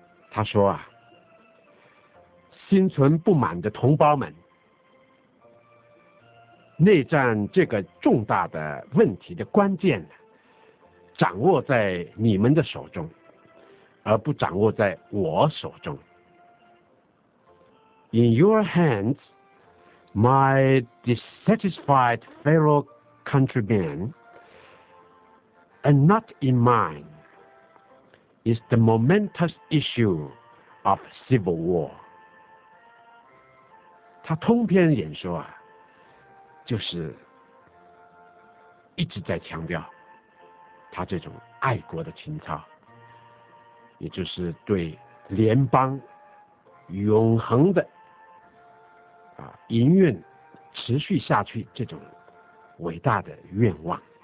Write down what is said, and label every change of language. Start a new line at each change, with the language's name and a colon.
Chinese: 他说啊，心存不满的同胞们，内战这个重大的问题的关键掌握在你们的手中，而不掌握在我手中。
English: In your hands, my dissatisfied fellow countrymen, and not in mine, is the momentous issue of civil war.
Chinese: 他通篇演说啊，就是一直在强调他这种爱国的情操，也就是对联邦永恒的营运持续下去这种伟大的愿望。